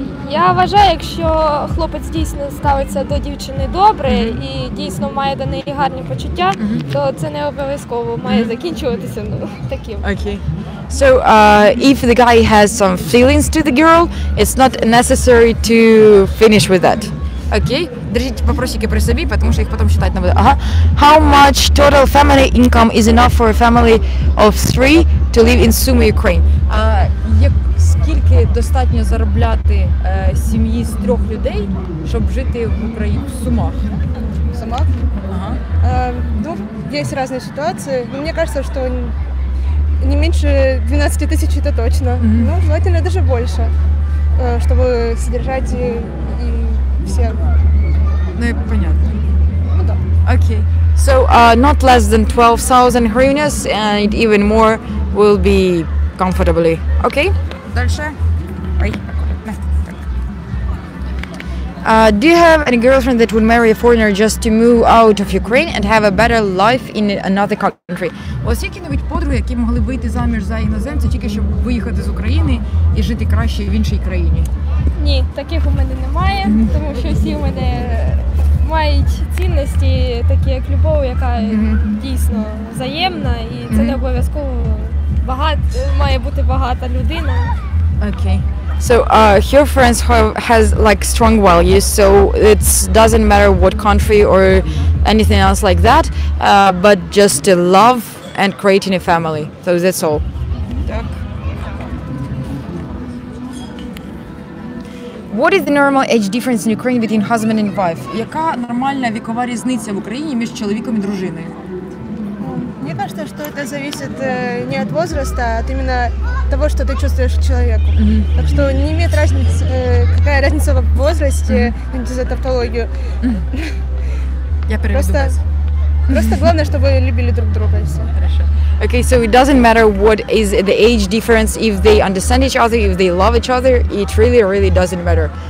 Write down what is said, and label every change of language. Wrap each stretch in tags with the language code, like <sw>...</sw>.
<uk>Я вважаю, якщо хлопець дійсно ставиться до дівчини добре і дійсно має до неї гарні почуття, то це не обов'язково має закінчуватися, ну, таким.</uk> <en>Okay. So, if the guy has some feelings to the girl, it's not necessary to finish with that. Окей.</en> <uk>Держіть вопросики при собі, тому що їх потім читати не буду.</uk> <en>Ага. How much total family income is enough for a family of three to live in Sumy, Ukraine?</en> <uk>Скільки достатньо заробляти сім'ї з трьох людей, щоб жити в Україні в Сумах? В Сумах? Ага. Ну, є різні ситуації. Мені кажется, що не менше 12 тисяч – це точно. Mm-hmm. Ну, желательно даже більше, щоб содержати і все.</uk> <ru>Ну, понятно. Ну, да. Окей.</ru> <en>So, not less than 12,000 hryvnias, and even more will be comfortably. Окей? Okay? Do you have any girlfriend that would marry a foreigner just to move out of Ukraine and have a better life in another country?</en> <uk>Ось які-небудь подруги, які могли вийти заміж за іноземця, тільки щоб виїхати з України і жити краще в іншій країні? Ні, таких у мене немає, тому що всі у мене мають цінності, такі як любов, яка дійсно взаємна, і це не обов'язково має бути багата людина.</uk> <en>Okay. So your friends has like strong values, so it doesn't matter what country or anything else like that, but just love and creating a family. So that's all.</en> <uk>Так.</uk> <en>What is the normal age difference in Ukraine between husband and wife?</en> <uk>Яка нормальна вікова різниця в Україні між чоловіком і дружиною?</uk> <ru>Мне кажется, что это зависит не от возраста, а от именно того, что ты чувствуешь к человеку. Mm-hmm. Так что не имеет разницы, какая разница в возрасте, за тавтологию. Я переведу вас. Просто главное, чтобы любили друг друга. Хорошо.</ru> <en>Okay, so it doesn't matter what is the age difference, if they understand each other, if they love each other, it really, really doesn't matter.</en>